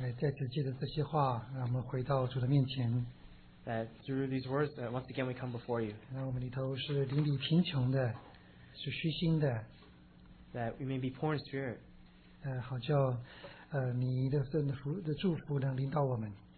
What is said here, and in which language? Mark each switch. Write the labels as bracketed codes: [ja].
[zh] 再次借着这些话, 让我们回到主的面前, [en] that through these words, that once again we come before you. [zh] 让我们里头是邻里贫穷的, 是虚心的, [en] that we may be poor in spirit. [zh] 好叫你的祝福能临到我们,